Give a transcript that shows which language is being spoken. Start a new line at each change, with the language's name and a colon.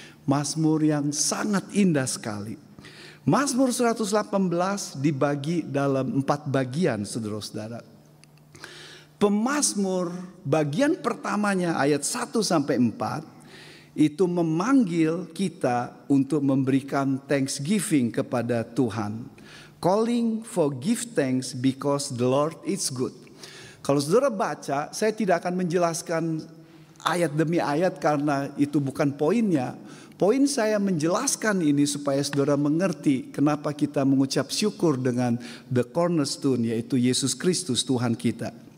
Indonesian: Mazmur yang sangat indah sekali. Mazmur 118 dibagi dalam 4 bagian saudara-saudara. Pemazmur bagian pertamanya ayat 1-4 itu memanggil kita untuk memberikan thanksgiving kepada Tuhan.
English: Calling for give thanks because the Lord is good.
Indonesian: Kalau saudara baca, saya tidak akan menjelaskan ayat demi ayat karena itu bukan poinnya. Poin saya menjelaskan ini supaya saudara mengerti kenapa kita mengucap syukur dengan the cornerstone, yaitu Yesus Kristus Tuhan kita.